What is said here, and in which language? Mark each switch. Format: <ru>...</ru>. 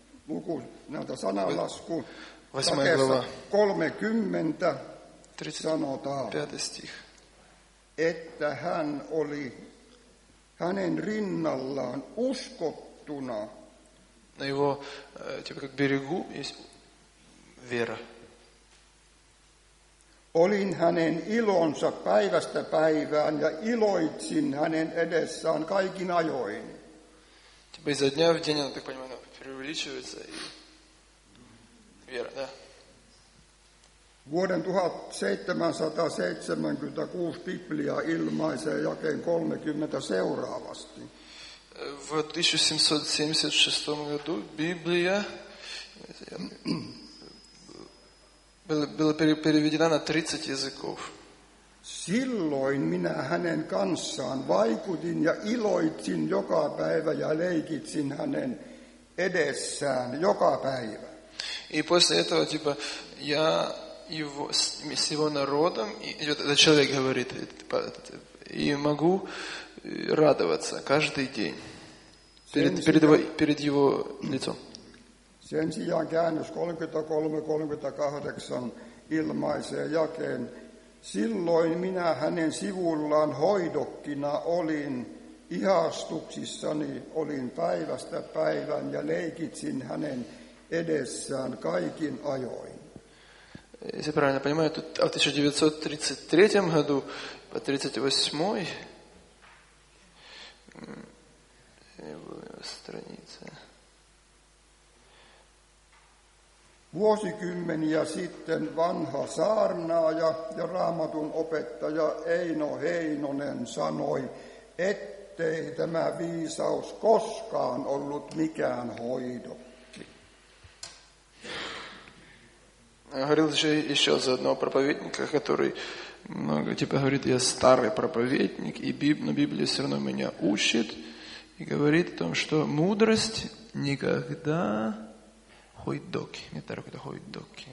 <fi>Luku, näitä sanalasku, 30 sanotaan, että hän oli hänen rinnallaan uskottuna.</fi> <ru>На его, типа, как берегу есть вера.</ru> <fi>Olin hänen ilonsa päivästä päivään ja iloitsin hänen edessään kaikin ajoin.</fi> <ru>Типа, изо дня в день, я так понимаю, преувеличивается и вера, да?</ru> <fi>Vuoden 1776 Библия ilmaisee jakeen 30 seuraavasti.</fi> <ru>В 1776 году Библия была переведена на 30 языков.</ru> <fi>Silloin minä hänen kanssaan vaikutin ja iloitsin joka päivä ja leikitsin hänen edessään joka päivä.</fi> <ru>И после этого типа я его с его народом и этот человек говорит типа и могу радоваться каждый день перед его лицом.</ru> <fi>Sen sijaan käännös 33-38 ilmaisee jakeen. Silloin minä hänen sivullaan hoidokkina olin, ihastuksissani olin päivästä päivän ja leikitsin hänen edessään kaikin ajoin.</fi> <ru>Se правильно понимаю, тут в 1933 году по 38 страница.</ru> <fi>Vuosikymmeniä sitten vanha saarnaaja ja Raamatun opettaja Eino Heinonen sanoi, ettei tämä viisaus koskaan ollut mikään hoidokki.</fi> <ru>Говорил же еще за одного проповедника, который много типа говорит, я старый проповедник, и Библия все равно меня учит и говорит о том, что мудрость никогда</ru> <fi>hoidokki, niin tarkoittaa hoidokki.</fi>